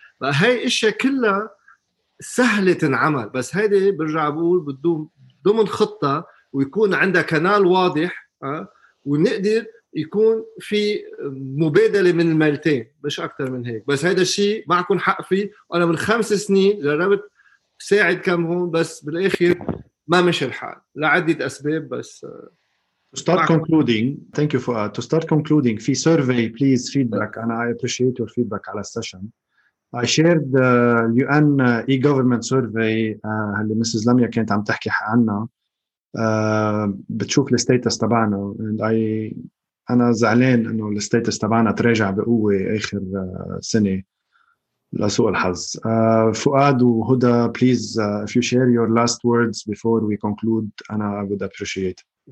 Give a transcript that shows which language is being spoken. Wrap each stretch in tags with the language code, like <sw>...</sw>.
<ar>فهي اشياء كلها سهلة تنعمل، بس هيدي برجع بقول بدهم ضمن خطة ويكون عندها كنال واضح ونقدر يكون في مبادلة من المالتين مش أكتر من هيك. بس هيدا الشيء ما أكون حق فيه، أنا من 5 سنين جربت ساعد كم هون بس بالآخر ما مش الحال لعدة أسباب. بس</ar> <en>To start concluding, thank you for to start concluding. Fee survey, please feedback, and I appreciate your feedback on the session. I shared the UN e-government survey</en> <ar>اللي مسز لميا كانت عم تحكي عنه بتشوف الستيتس تبعنا</ar> <en>and I</en> <ar>أنا زعلان إنه الستيتس تبعنا تراجع بقوة آخر سنة لسوء الحظ.</ar> <en>فؤاد وهدى please if you share your last words before we conclude أنا would appreciate.</en>